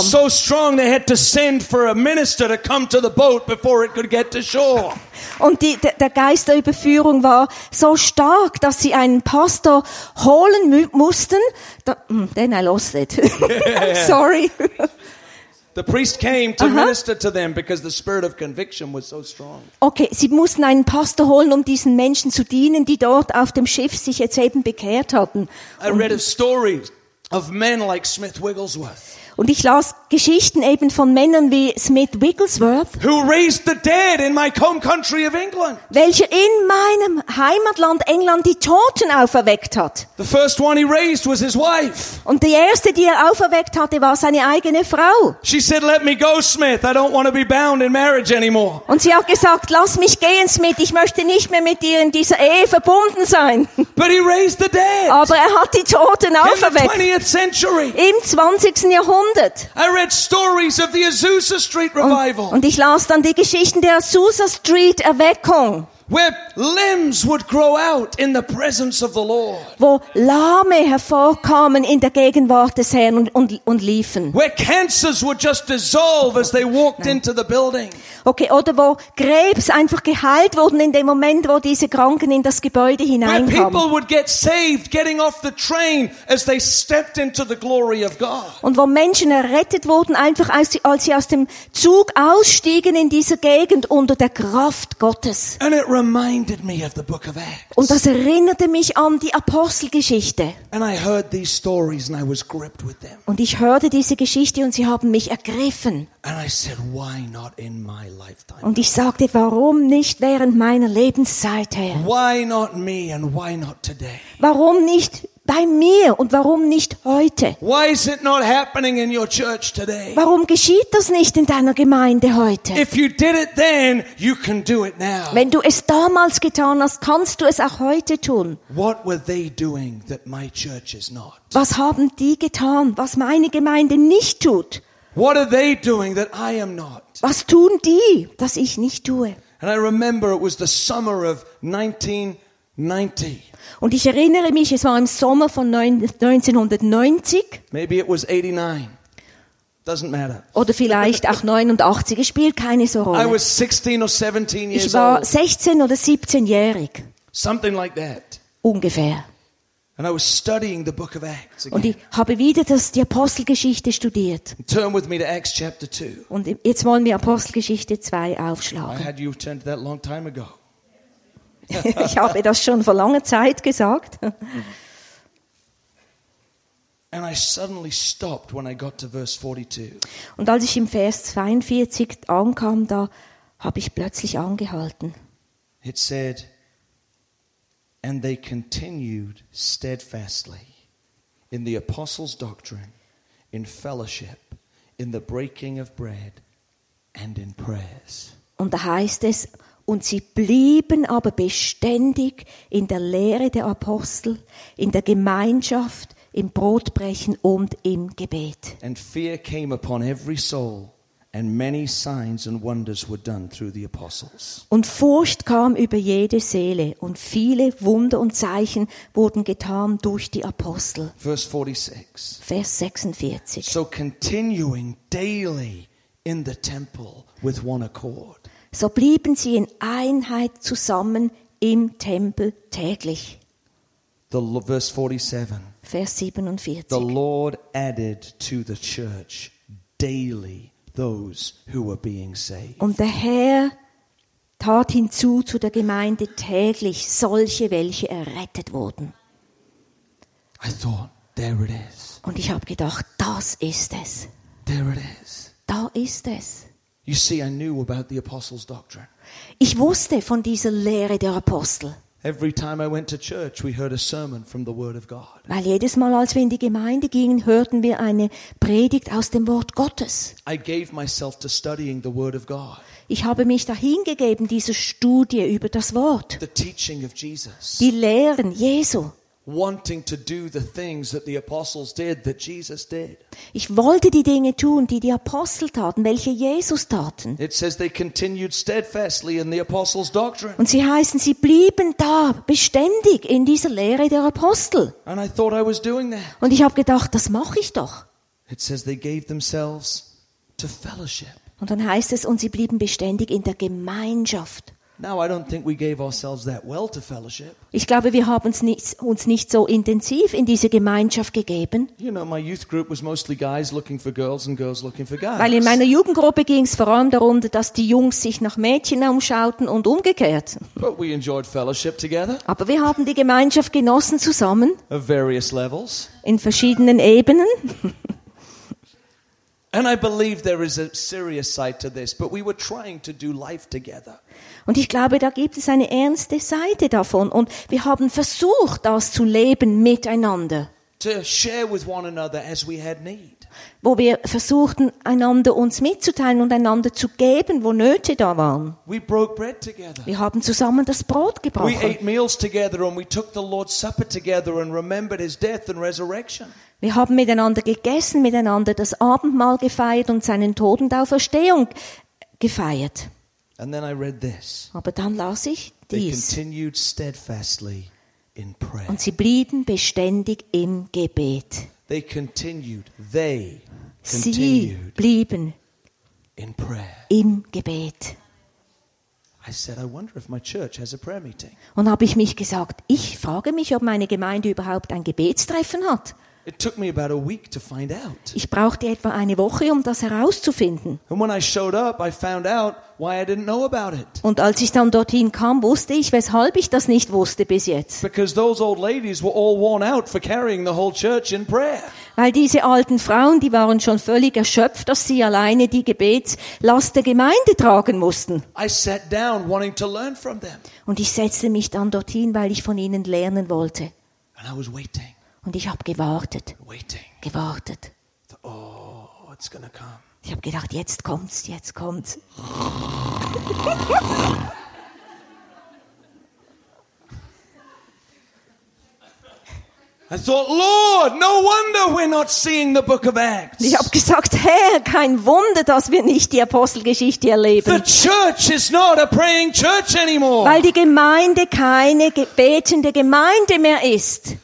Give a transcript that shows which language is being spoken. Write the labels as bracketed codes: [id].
[en] So strong they had to send for a minister to come to the boat before it could get to shore. [de] Und der Geist der Überführung war so stark, dass sie einen Pastor holen mussten. [en] Then I lost it. Yeah. Sorry. The priest came to minister to them because the spirit of conviction was so strong. [de] Okay, sie mussten einen Pastor holen, um diesen Menschen zu dienen, die dort auf dem Schiff sich jetzt eben bekehrt hatten. [en] I read a story of men like Smith Wigglesworth. [de] Und ich las Geschichten eben von Männern wie Smith Wigglesworth, [en] who raised the dead in my home country of England. [de] Welcher in meinem Heimatland England die Toten auferweckt hat. [en] The first one he raised was his wife. [de] Und die erste, die er auferweckt hatte, war seine eigene Frau. [en] She said, "Let me go, Smith. I don't want to be bound in marriage anymore." [de] Und sie hat gesagt, lass mich gehen, Smith. Ich möchte nicht mehr mit dir in dieser Ehe verbunden sein. [en] But he raised the dead. [de] Aber er hat die Toten auferweckt. [en] In the 20th century. [de] Im 20. Jahrhundert. [en] I read stories of the Azusa Street Revival. [de] Und ich las dann die Geschichten der Azusa Street Erweckung. [en] Where limbs would grow out in the presence of the Lord. [de] Wo Lahme hervorkamen in der Gegenwart des Herrn und liefen. [en] Where cancers would just dissolve as they walked into the building. [de] Okay, oder wo Krebs einfach geheilt wurden in dem Moment, wo diese Kranken in das Gebäude hineinkamen. [en] Where people would get saved getting off the train as they stepped into the glory of God. [de] Und wo Menschen errettet wurden einfach als sie aus dem Zug ausstiegen in dieser Gegend unter der Kraft Gottes. [en] And it reminded me of the book of Acts. [de] Und das erinnerte mich an die Apostelgeschichte. [en] And I heard these stories and I was gripped with them. [de] Und ich hörte diese Geschichte und sie haben mich ergriffen. [en] And I said, why not in my lifetime? [de] Und ich sagte, warum nicht während meiner Lebenszeit, Herr? [en] Why not me and why not today? [de] Warum nicht bei mir und warum nicht heute? [en] Why is it not happening in your church today? [de] Warum geschieht das nicht in deiner Gemeinde heute? [en] If you did it then, you can do it now. [de] Wenn du es damals getan hast, kannst du es auch heute tun. [en] What were they doing that my church is not? [de] Was haben die getan, was meine Gemeinde nicht tut? [en] What are they doing that I am not? [de] Was tun die, das ich nicht tue? [en] And I remember it was the summer of 1990. [de] Und ich erinnere mich, es war im Sommer von 1990. [en] Maybe it was 89. Doesn't matter. [de] Oder vielleicht auch 89. Es spielt keine so Rolle. [en] I was 16 or 17 years old. [de] Ich war 16 oder 17-jährig. [en] Something like that. [de] Ungefähr. [en] And I was studying the book of Acts again. [de] Und ich habe wieder die Apostelgeschichte studiert. [en] Turn with me to Acts chapter 2. [de] Und jetzt wollen wir Apostelgeschichte 2 aufschlagen. [en] I had you turned to that long time ago. [de] Ich habe das schon vor langer Zeit gesagt. [en] And I suddenly stopped when I got to verse 42. [de] Und als ich im Vers 42 ankam, da habe ich plötzlich angehalten. [en] It said, and they continued steadfastly in the apostles' doctrine, in fellowship, in the breaking of bread and in prayers. [de] Und da heißt es, und sie blieben aber beständig in der Lehre der Apostel, in der Gemeinschaft, im Brotbrechen und im Gebet. [en] And fear came upon every soul, and many signs and wonders were done through the apostles. [de] Und Furcht kam über jede Seele, und viele Wunder und Zeichen wurden getan durch die Apostel. [en] Verse 46. [de] Vers 46. [en] So continuing daily in the temple with one accord. [de] So blieben sie in Einheit zusammen im Tempel täglich. [en] The, verse 47. [de] Vers 47. [en] The Lord added to the church daily those who were being saved. [de] Und der Herr tat hinzu zu der Gemeinde täglich solche, welche errettet wurden. [en] I thought, there it is. [de] Und ich habe gedacht, das ist es. [en] There it is. [de] Da ist es. [en] You see, I knew about the apostles' doctrine. [de] Ich wusste von dieser Lehre der Apostel. [en] Every time I went to church, we heard a sermon from the Word of God. [de] Weil jedes Mal, als wir in die Gemeinde gingen, hörten wir eine Predigt aus dem Wort Gottes. [en] I gave myself to studying the Word of God. [de] Ich habe mich dahingegeben dieser Studie über das Wort. [en] The teaching of Jesus. [de] Die Lehren Jesu. [en] Wanting to do the things that the apostles did, that Jesus did. [de] Ich wollte die Dinge tun, die die Apostel taten, welche Jesus taten. [en] It says they continued steadfastly in the apostles' doctrine. [de] Und sie heißen, sie blieben da beständig in dieser Lehre der Apostel. [en] And I thought I was doing that. [de] Und ich habe gedacht, das mache ich doch. [en] It says they gave themselves to fellowship. [de] Und dann heißt es, und sie blieben beständig in der Gemeinschaft. [en] Now I don't think we gave ourselves that well to fellowship. [de] Ich glaube, wir haben uns nicht so intensiv in diese Gemeinschaft gegeben. [en] You know, my youth group was mostly guys looking for girls and girls looking for guys. [de] Weil in meiner Jugendgruppe ging es vor allem darum, dass die Jungs sich nach Mädchen umschauten und umgekehrt. [en] But we enjoyed fellowship together. [de] Aber wir haben die Gemeinschaft genossen zusammen. [en] Of various levels. [de] In verschiedenen Ebenen. [en] And I believe there is a serious side to this, but we were trying to do life together. [de] Und ich glaube, da gibt es eine ernste Seite davon, und wir haben versucht, das zu leben miteinander. [en] To share with one another as we had need. [de] Wo wir versuchten, einander uns mitzuteilen und einander zu geben, wo Nöte da waren. [en] We broke bread together. [de] Wir haben zusammen das Brot gebrochen. [en] We ate meals together and we took the Lord's Supper together and remembered his death and resurrection. [de] Wir haben miteinander gegessen, miteinander das Abendmahl gefeiert und seinen Tod und Auferstehung gefeiert. [en] And then I read this. [de] Aber dann las ich dies. [en] They continued steadfastly in prayer. [de] Und sie blieben beständig im Gebet. [en] They continued, they continued [de] sie blieben [en] in prayer. [de] Im Gebet. [en] I said, I wonder if my church has a prayer meeting. [de] Und habe ich mich gesagt, ich frage mich, ob meine Gemeinde überhaupt ein Gebetstreffen hat. [en] It took me about a week to find out. [de] Ich brauchte etwa eine Woche, um das herauszufinden. [en] And when I showed up, I found out why I didn't know about it. [de] Und als ich dann dorthin kam, wusste ich, weshalb ich das nicht wusste bis jetzt. [en] Because those old ladies were all worn out for carrying the whole church in prayer. [de] Weil diese alten Frauen, die waren schon völlig erschöpft, dass sie alleine die Gebetslast der Gemeinde tragen mussten. [en] I sat down wanting to learn from them. [de] Und ich setzte mich dann dorthin, weil ich von ihnen lernen wollte. [en] And I was waiting. [de] Und ich habe gewartet. [en] Waiting. [de] Gewartet. [en] Oh, it's gonna come. [de] Ich habe gedacht, jetzt kommt's, jetzt kommt's. [en] I thought, Lord, no wonder we're not seeing the book of Acts. [de] Ich habe gesagt, Herr, kein Wunder, dass wir nicht die Apostelgeschichte erleben. [en] The church is not a praying church anymore. [de] Weil die Gemeinde keine betende Gemeinde mehr ist.